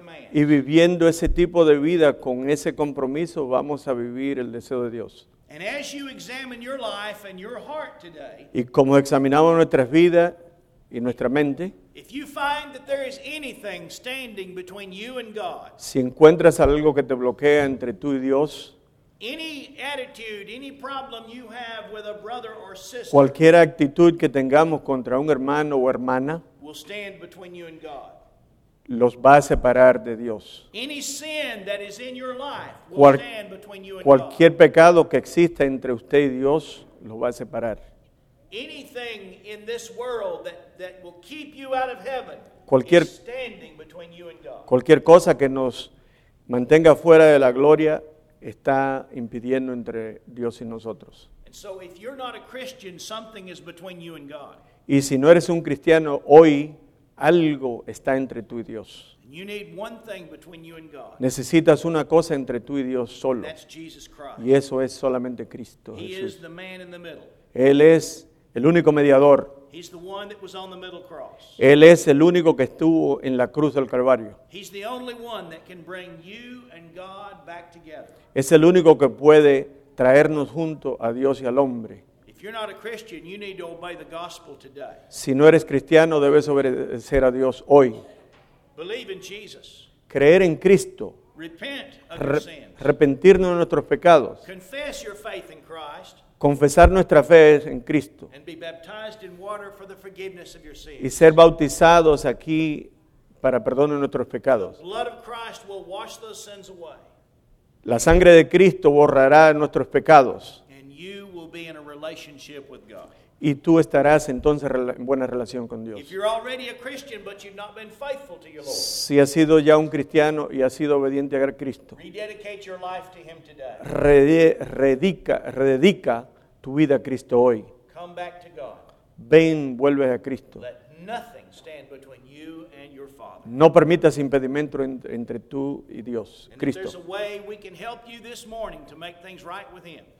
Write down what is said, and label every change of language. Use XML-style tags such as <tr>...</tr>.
<es>Y viviendo ese tipo de vida con ese compromiso, vamos a vivir el deseo de Dios.</es> <en>And as you examine your life and your heart today,</en> <es>y como examinamos nuestras vidas y nuestra mente,</es> <en>if you find that there is anything standing between you and God,</en> <es>si encuentras algo que te bloquea entre tú y Dios,</es> <en>any attitude, any problem you have with a brother or sister,</en> <es>cualquier actitud que tengamos contra un hermano o hermana,</es> <en>will stand between you and God.</en> <es>Los va a separar de Dios.</es> <en>Any sin that is in your life will stand between you and God.</en> <es>Cualquier pecado que exista entre usted y Dios lo va a separar.</es> <en>Anything in this world that will keep you out of heaven,</en> <es>cualquier,</es> <en>is standing between you and God.</en> <es>Cualquier cosa que nos mantenga fuera de la gloria está impidiendo entre Dios y nosotros.</es> <en>And so if you're not a Christian, something is between you and God.</en> <es>Y si no eres un cristiano hoy, algo está entre tú y Dios.</es> <en>You need one thing between you and God.</en> <es>Necesitas una cosa entre tú y Dios solo.</es> <en>That's Jesus Christ.</en> <es>Y eso es solamente Cristo.</es> <en>He</en> <es>Jesús.</es> <en>Is the man in the middle.</en> <es>Él es el único mediador.</es> <en>He's the one that was on the middle cross.</en> <es>Él es el único que estuvo en la cruz del Calvario.</es> <en>He's the only one that can bring you and God back together.</en> <es>Es el único que puede traernos junto a Dios y al hombre.</es> <en>If you're not a Christian, you need to obey the gospel today.</en> <es>Si no eres cristiano, debes obedecer a Dios hoy.</es> <en>Believe in Jesus.</en> <es>Creer en Cristo.</es> <en>Repent of your sins.</en> <es>Arrepentirnos de nuestros pecados.</es> <en>Confess your faith in Christ.</en> <es>Confesar nuestra fe en Cristo.</es> <en>And be baptized in water for the forgiveness of your sins.</en> <es>Y ser bautizados aquí para perdón de nuestros pecados.</es> <en>The blood of Christ will wash those sins away.</en> <es>La sangre de Cristo borrará nuestros pecados.</es> <en>And you will be in a relationship with God.</en> <es>y tú estarás entonces en buena relación con Dios.</es> <en>If you're already a Christian, but you've not been faithful to your Lord,</en> <es>si has sido ya un cristiano y has sido obediente a Cristo,</es> <en>rededicate your life to him today.</en> <es>Rededica tu vida a Cristo hoy.</es> <en>Come back to God.</en> <es>Ven, vuelves a Cristo.</es> <en>Let nothing stand between you and your Father.</en> <es>No permitas impedimento entre tú y Dios, Cristo.</es> <en>And if there's a way we can help you this morning to make things right with him,</en>